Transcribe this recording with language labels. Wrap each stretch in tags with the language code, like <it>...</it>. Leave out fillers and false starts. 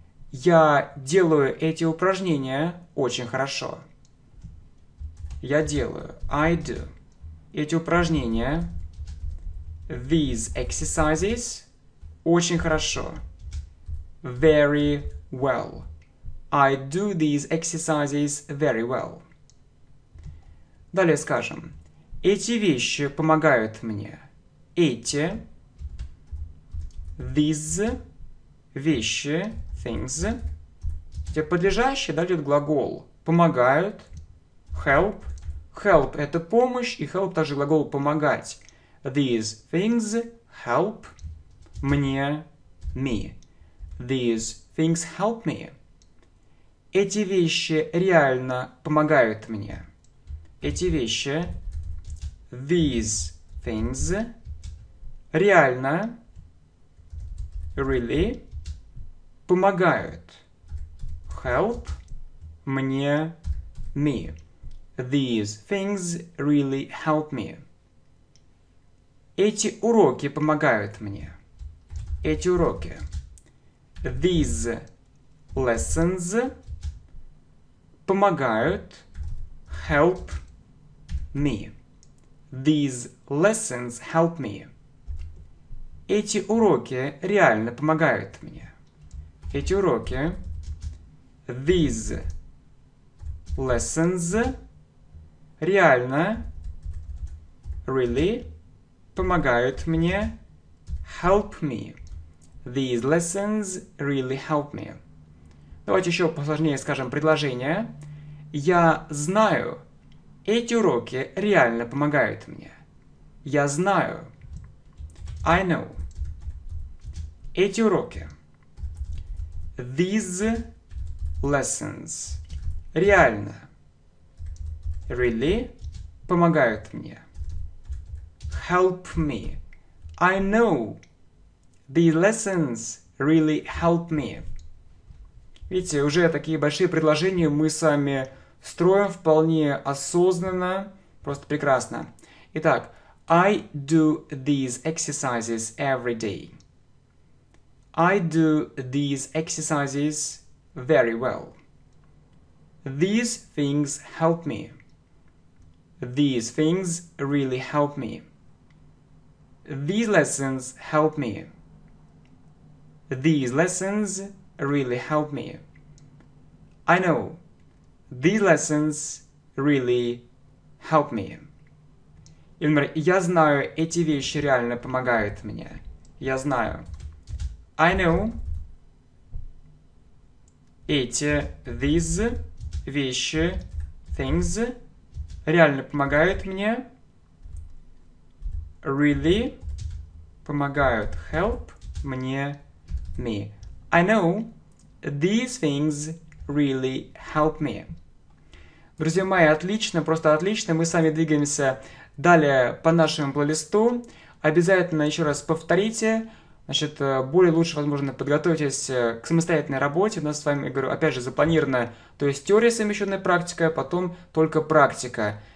<ru>Я делаю эти упражнения очень хорошо. Я делаю.</ru> <en>I do.</en> <ru>Эти упражнения.</ru> <en>These exercises.</en> <ru>Очень хорошо.</ru> <en>Very well. I do these exercises very well.</en> <ru>Далее скажем. Эти вещи помогают мне. Эти.</ru> <en>These.</en> <ru>Вещи.</ru> <en>Things.</en> <ru>Где подлежащее, да, идет глагол. Помогают.</ru> <en>Help.</en> <ru>Help – это помощь. И help – также глагол помогать.</ru> <en>These things help</en> <ru>мне.</ru> <en>Me. These things help me.</en> <ru>Эти вещи реально помогают мне. Эти вещи.</ru> <en>These things.</en> <ru>Реально.</ru> <en>Really.</en> <ru>Помогают.</ru> <en>Help.</en> <ru>Мне.</ru> <en>Me. These things really help me.</en> <ru>Эти уроки помогают мне. Эти уроки.</ru> <en>These lessons</en> <ru>помогают</ru> <en>help me. These lessons help me.</en> <ru>Эти уроки реально помогают мне. Эти уроки.</ru> <en>These lessons</en> <ru>реально</ru> <en>really</en> <ru>помогают мне</ru> <en>help me. These lessons really help me.</en> <ru>Давайте еще посложнее скажем предложение. Я знаю, эти уроки реально помогают мне. Я знаю.</ru> <en>I know.</en> <ru>Эти уроки.</ru> <en>These lessons</en> <ru>реально.</ru> <en>Really</en> <ru>помогают мне.</ru> <en>Help me. I know. These lessons really help me.</en> <ru>Видите, уже такие большие предложения мы с вами строим вполне осознанно. Просто прекрасно. Итак,</ru> <en>I do these exercises every day. I do these exercises very well. These things help me. These things really help me. These lessons help me. These lessons really help me. I know. These lessons really help me.</en> <ru>Ильмар, я знаю, эти вещи реально помогают мне. Я знаю.</ru> <en>I know.</en> <ru>Эти,</ru> <en>these,</en> <ru>вещи,</ru> <en>things,</en> <ru>реально помогают мне.</ru> <en>Really</en> <ru>помогают</ru> <en>help</en> <ru>мне.</ru> <en>Me. I know these things really help me.</en> <ru>Друзья мои, отлично, просто отлично. Мы с вами двигаемся далее по нашему плейлисту. Обязательно еще раз повторите. Значит, более лучше, возможно, подготовьтесь к самостоятельной работе. У нас с вами, говорю, опять же, запланировано, то есть теория, совмещенная практика, потом только практика.</ru>